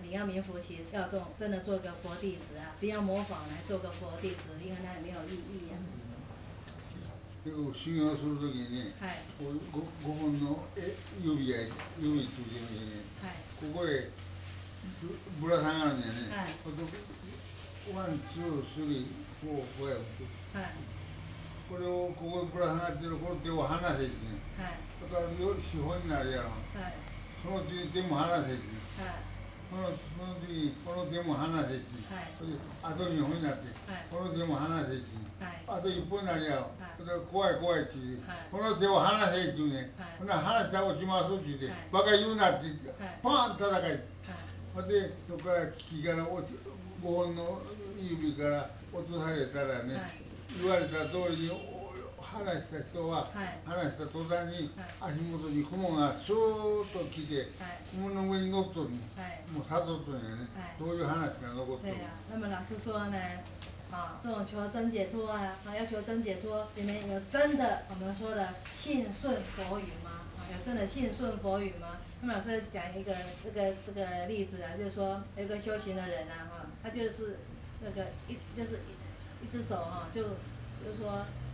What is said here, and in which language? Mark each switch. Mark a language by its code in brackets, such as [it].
[zh] 你要名符实，要这种真的做个佛弟子啊，不要模仿来做个佛弟子，因为那也没有意义啊。 [ja] 这个修行するときにね、はい、五本の指つけてね、はい、ここへぶら下がるんやね、はい、ワン、ツー、スリー、フォー、ファイブ、はい、これをここにぶら下がってる、この手を離せですね。はい。だから、より資本になるやろ。はい。その手に手も離せですね。はい。その時に、この手も離せですね。はい。それで、あと2本になって、はい。この手も離せですね。はい。あと1本になるやろ。はい。だから、怖いって言って、はい。この手を離せって言うね。はい。ほんなら、離したら落ちますって言って、はい。バカ言うなって言って、はい。パーンと叩かれて。はい。で、そこから、木から落ち、5本の指から落とされたらね、はい。言われた通りに話した人は、はい、話した途端に足元に雲がスーッと来て、はい、雲の上に乗っとるの、はい、もう悟っとるんやね、はい、そういう話が残っとる。 [zh] 那么老师说呢，啊，这种求真解脱啊，要求真解脱，你们有真的我们说的信顺佛语吗？有真的信顺佛语吗？那么老师讲一个这个例子啊，就是说有一个修行的人啊，他就是那个一只手哈，就是说，